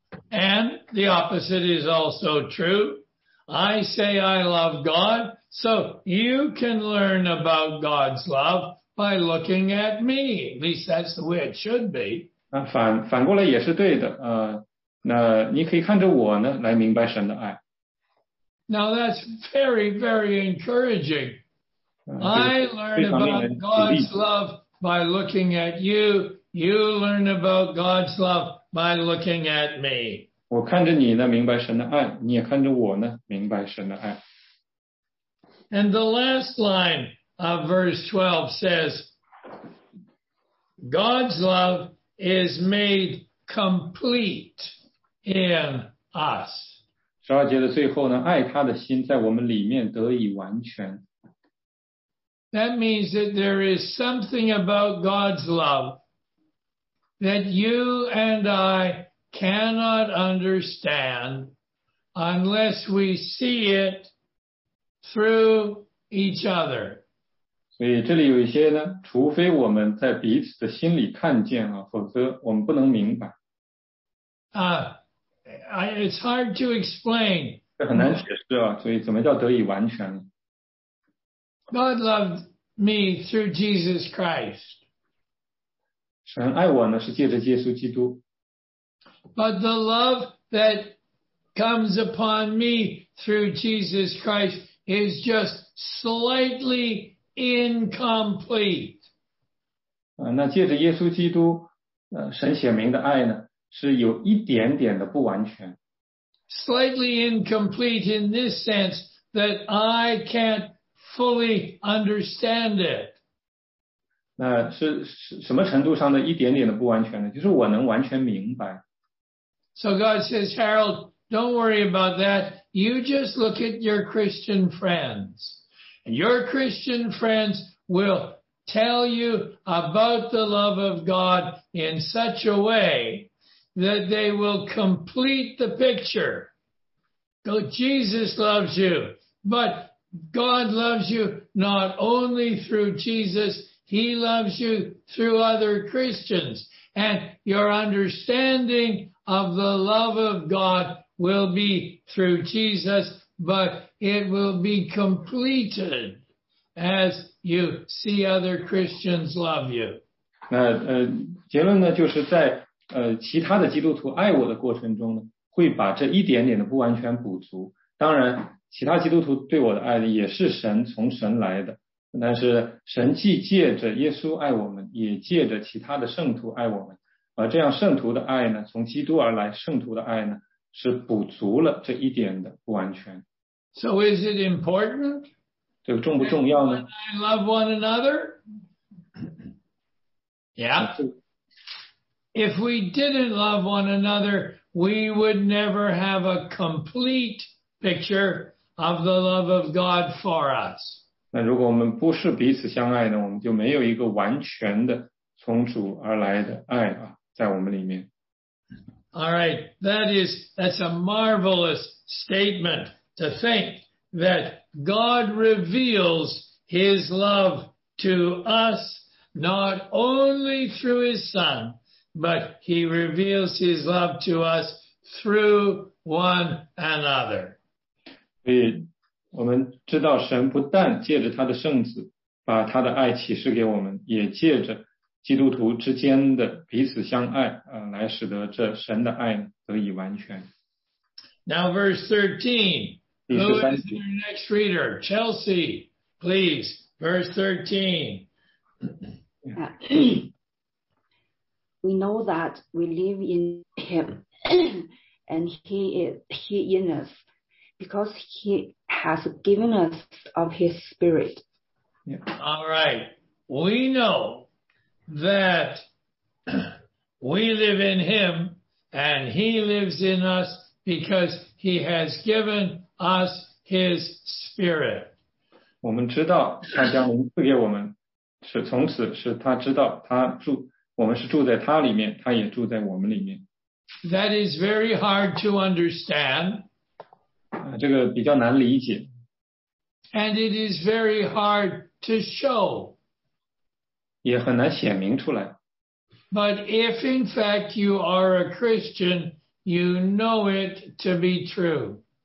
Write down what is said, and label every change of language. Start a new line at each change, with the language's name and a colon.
English: And the opposite is also true. I say I love God, so you can learn about God's love by looking at me. At least that's the way it should be.
Chinese: 反过来也是对的，那你可以看着我呢，来明白神的爱。
English: Now that's very, very encouraging. I learn about God's love by looking at you. You learn about God's love by looking at me.
Chinese: 我看着你呢，明白神的爱，你也看着我呢，明白神的爱。
English: And the last line of verse 12 says, God's love is made complete in us.
Chinese: 十二节的最后呢，爱他的心在我们里面得以完全。
English: That means that there is something about God's love that you and I cannot understand unless we see it through each other.
Chinese: 所以这里有一些呢，除非我们在彼此的心里看见啊，否则我们不能明白。
English: It's hard to explain.
Chinese: 这很难解释啊，所以怎么叫得以完全？
English: God loved me through Jesus Christ.
Chinese: 神爱我呢，是借着耶稣基督。
English: But the love that comes upon me through Jesus Christ is just slightly incomplete.
Chinese: 那借着耶稣基督，神显明的爱呢，是有一点点的不完全。
English: Slightly incomplete in this sense that I can't fully understand it.
Chinese: 那是什么程度上的一点点的不完全呢？就是我能完全明白。
English: So God says, Harold, don't worry about that. You just look at your Christian friends. Your Christian friends will tell you about the love of God in such a way that they will complete the picture. So Jesus loves you, but God loves you not only through Jesus, he loves you through other Christians. And your understanding of the love of God will be through Jesus, but it will be completed as you see other Christians love you.
Chinese: 那结论呢，就是在其他的基督徒爱我的过程中呢，会把这一点点的不完全补足。当然，其他基督徒对我的爱呢，也是神从神来的，那是神既借着耶稣爱我们，也借着其他的圣徒爱我们，而这样圣徒的爱呢，从基督而来，圣徒的爱呢，是补足了这一点的不完全。
English: So is it important?
Chinese: 这个重不重要呢？
English: I love one another? Yeah. If we didn't love one another, we would never have a complete picture of the love of God for us.
Chinese: 那如果我们不是彼此相爱呢，我们就没有一个完全的从主而来的爱啊，在我们里面。
English: All right, that's a marvelous statement to think that God reveals his love to us not only through his son, but he reveals his love to us through one another.
Chinese: 所以我们知道神不但借着他的圣子把他的爱启示给我们，也借着基督徒之间的彼此相爱，来使得这神的爱得以完全。
English: Now verse 13. Who is our next reader? Chelsea, please. Verse 13. We know that we live in him and he in us because he has given us of his spirit. All right. We know that we live in him and he lives in us because he has given us his spirit.
Chinese: 我们知道他将灵赐给我们，是从此是他知道他住，我们是住在他里面，他也住在我们里面。
English: That is very hard to understand.
Chinese: 这个比较难理解。
English: And it is very hard to show.
Chinese: 也很难显明出来。
English: But if in fact you are a Christian, you know it to be true.